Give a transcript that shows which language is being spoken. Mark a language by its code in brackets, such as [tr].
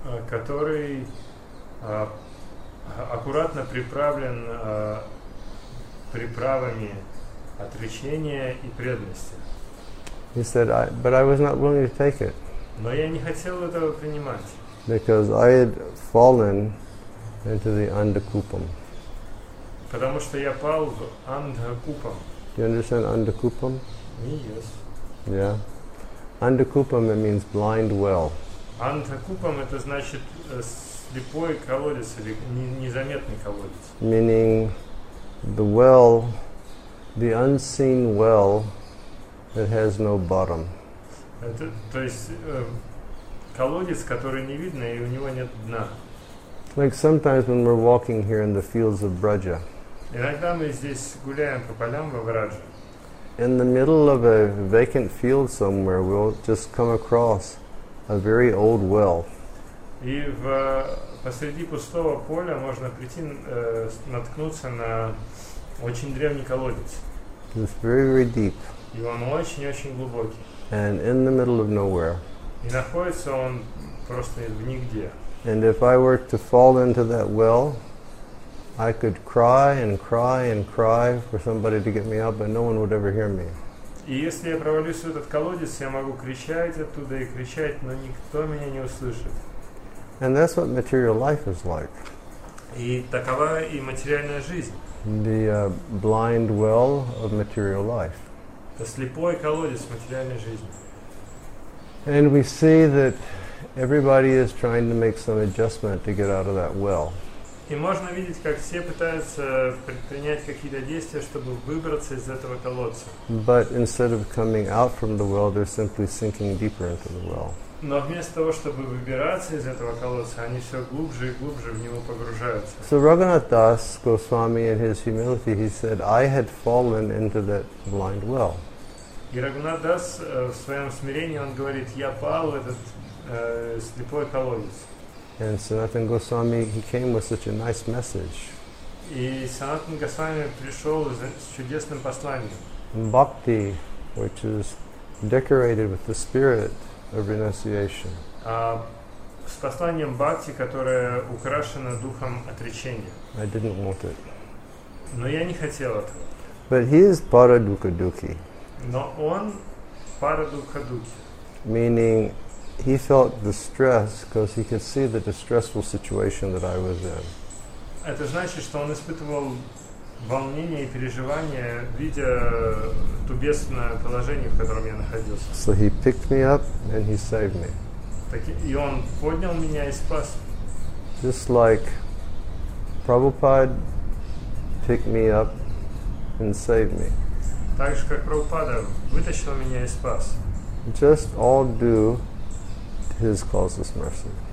[ru] Который аккуратно приправлен приправами отречения и преданности. [en] He said, but I was not willing to take it. [ru] Но я не хотел этого принимать. [en] Because I had fallen into the Andhakupam. [ru] Потому что я пал в Andhakupam. [en] Do you understand Andhakupam? Yes. Yeah. Andhakupam, it means blind well. [ru] Andhakupam, это значит слепой колодец или незаметный колодец. [en] Meaning the well, the unseen well that has no bottom. [ru] Это, то есть колодец, который не видно, и у него нет дна. [en] Like sometimes when we're walking here in the fields of Braja. [ru] Иногда мы здесь гуляем по полям во Враже. [en] in the middle of a vacant field somewhere, we'll just come across a very old well. [ru] И в посреди пустого поля можно прийти наткнуться на очень древний колодец. [en] It's very, very deep. [ru] И он очень-очень глубокий. [en] And in the middle of nowhere. [ru] И находится он просто в нигде. [en] And if I were to fall into that well, I could cry and cry and cry for somebody to get me out, but no one would ever hear me. [ru] И если я провалюсь в этот колодец, я могу кричать оттуда и кричать, но никто меня не услышит. [en] And that's what material life is like. [ru] И такова и материальная жизнь. [en] The blind well of material life. [ru] Это слепой колодец материальной жизни. [en] And we see that everybody is trying to make some adjustment to get out of that well. [ru] И можно видеть, как все пытаются предпринять какие-то действия, чтобы выбраться из этого колодца. [en] But instead of coming out from the well, they're simply sinking deeper into the well. [ru] Но вместо того, чтобы выбираться из этого колодца, они все глубже и глубже в него погружаются. [en] So Raghunath Das Goswami, in his humility, he said, I had fallen into that blind well. [ru] И Раганат Дас в своем смирении, он говорит, я пал в этот слепой колодец. [en] And Sanatan Goswami, he came with such a nice message. [ru] И Санатан Госвами пришел с чудесным посланием. [en] Bhakti, which is decorated with the spirit of renunciation. [ru] С посланием бхакти, которое украшено духом отречения. [en] I didn't want it. [ru] Но я не хотел этого. [en] But he is Парадукадуки. [ru] Но он Парадукадуки. [en] Meaning, he felt distress because he could see the distressful situation that I was in. [ru] Это значит, что он испытывал волнение и переживания, видя то бедственное положение, в котором я находился. [en] So he picked me up and he saved me. [ru] Так и он поднял меня и спас. [en] Just like Prabhupada picked me up and saved me. [ru] Так же, как Прабхупада вытащил меня и спас. [en] Just all due to his causeless mercy.